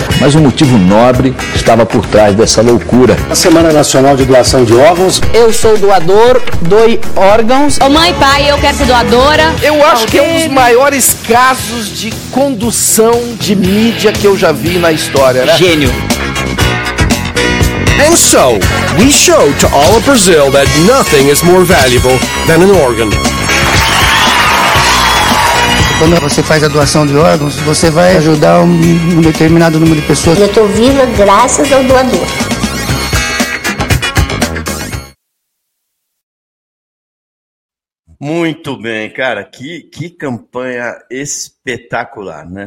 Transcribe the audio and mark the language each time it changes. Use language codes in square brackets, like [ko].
[pt] Mas motivo nobre estava por trás dessa loucura. A Semana Nacional de Doação de Órgãos. Eu sou doador, doi órgãos. Oh, mãe, pai, eu quero ser doadora. Eu acho que é um dos maiores casos de condução de mídia que eu já vi na história, né? Gênio. [en] And so, we show to all of Brazil that nothing is more valuable than an organ. [pt] Quando você faz a doação de órgãos, você vai ajudar um determinado número de pessoas. Eu estou viva graças ao doador. Muito bem, cara. Que campanha espetacular, né?